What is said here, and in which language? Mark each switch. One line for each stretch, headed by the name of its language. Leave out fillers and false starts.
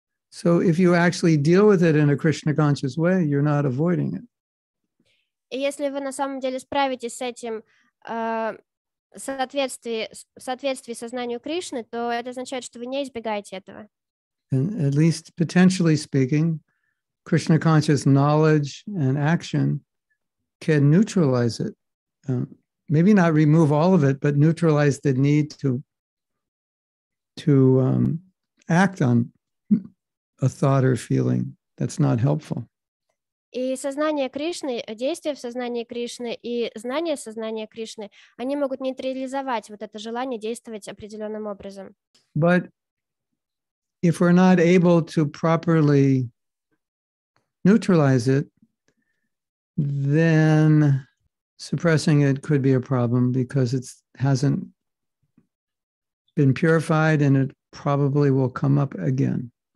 English: So if you actually deal with it in a Krishna conscious way, you're not avoiding it.
Russian: И если вы на самом деле справитесь с этим в соответствии сознанию Кришны, то это означает, что вы не избегаете этого.
English: And at least potentially speaking, Krishna conscious knowledge and action can neutralize it. Maybe not remove all of it, but neutralize the need to act on a thought or feeling that's not helpful.
Russian: И сознание Кришны, действия в сознании Кришны и знания сознания Кришны, они могут нейтрализовать вот это желание действовать определенным образом.
English: But if we're not able to properly neutralize it, then suppressing it could be a problem because it hasn't been purified and it probably will come up again.